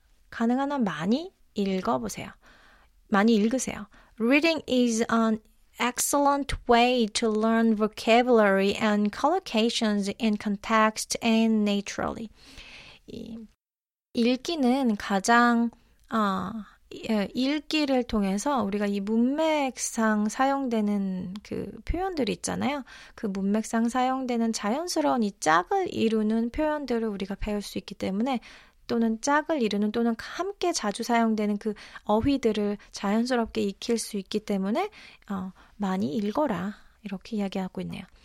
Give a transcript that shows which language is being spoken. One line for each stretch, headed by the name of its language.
Korean: 가능한 한 많이 읽어보세요. 많이 읽으세요.
English: Reading is an excellent way to learn vocabulary and collocations in context and naturally.
Korean: 읽기는 가장 읽기를 통해서 우리가 이 문맥상 사용되는 그 표현들이 있잖아요. 그 문맥상 사용되는 자연스러운 이 짝을 이루는 표현들을 우리가 배울 수 있기 때문에 또는 짝을 이루는 또는 함께 자주 사용되는 그 어휘들을 자연스럽게 익힐 수 있기 때문에 많이 읽어라 이렇게 이야기하고 있네요.